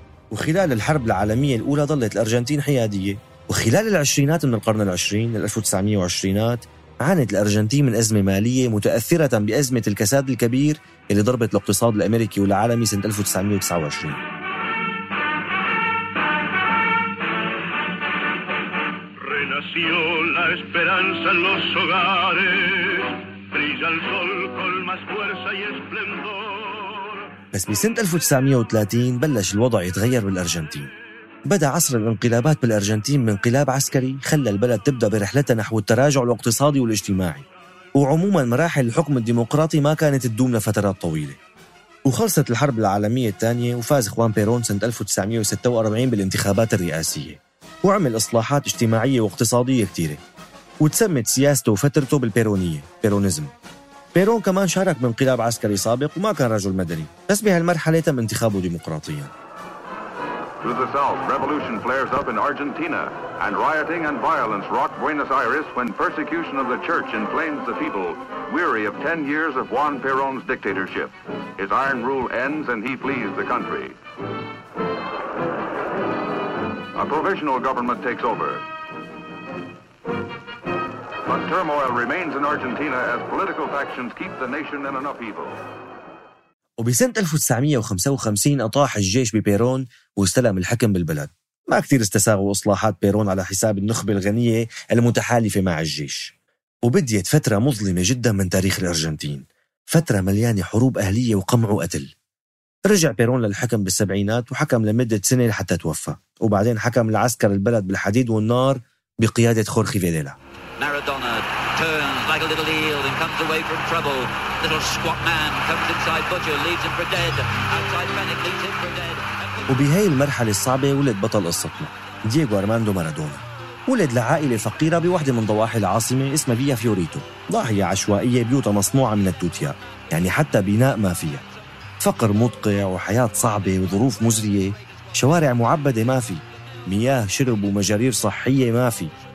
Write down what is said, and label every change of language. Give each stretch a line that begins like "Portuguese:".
Arabic: وخلال الحرب العالمية الأولى ظلت الأرجنتين حيادية. وخلال العشرينات من القرن العشرين 1920s عانت الأرجنتين من أزمة مالية متأثرة بأزمة الكساد الكبير اللي ضربت الاقتصاد الأمريكي والعالمي سنة 1929.
Spanish: nació la esperanza en los hogares. Brilla el sol con más fuerza y esplendor.
Arabic: بس بسنة 1930 بلش الوضع يتغير بالأرجنتين. بدأ عصر الانقلابات بالأرجنتين من انقلاب عسكري خلى البلد تبدأ برحلتها نحو التراجع الاقتصادي والاجتماعي. وعموماً مراحل الحكم الديمقراطي ما كانت تدوم لفترات طويلة. وخلصت الحرب العالمية الثانية وفاز خوان بيرون سنة 1946 بالانتخابات الرئاسية. وعمل إصلاحات اجتماعية واقتصادية كتيرة. وتسمت سياسته وفترته بالبيرونية بيرونيزم. بيرون كمان شارك بانقلاب عسكري سابق وما كان رجل مدني. بس بهالمرحلة تم انتخابه ديمقراطياً.
English: To the south, revolution flares up in Argentina, and rioting and violence rock Buenos Aires when persecution of the church inflames the people, weary of 10 years of Juan Perón's dictatorship. His iron rule ends and he flees the country. A provisional government takes over. But turmoil remains in Argentina as political factions keep the nation in an upheaval.
Arabic: وبسنة 1955 أطاح الجيش ببيرون واستلم الحكم بالبلد. ما كتير استساغوا إصلاحات بيرون على حساب النخبة الغنية المتحالفة مع الجيش. وبديت فترة مظلمة جدا من تاريخ الأرجنتين. فترة مليانة حروب أهلية وقمع وقتل. رجع بيرون للحكم بالسبعينات وحكم لمدة سنة حتى توفى. وبعدين حكم العسكر البلد بالحديد والنار بقيادة خورخي فيديلا.
English: مارادونا turns like a little eel and comes away from trouble. Little squat man comes inside Butcher, leaves him for dead. Outside panic, leaves him for dead.
Arabic: وبهاي المرحلة الصعبة ولد بطل قصتنا دييغو أرماندو مارادونا. ولد لعائلة فقيرة بوحدة من ضواحي العاصمة اسمها فيا فيوريتو. ضاحية عشوائية بيوتها مصنوعة من التوتيا، يعني حتى بناء ما فيها. فقر مدقع وحياة صعبة وظروف مزرية. شوارع معبدة ما في، مياه شرب ومجارير صحية ما في.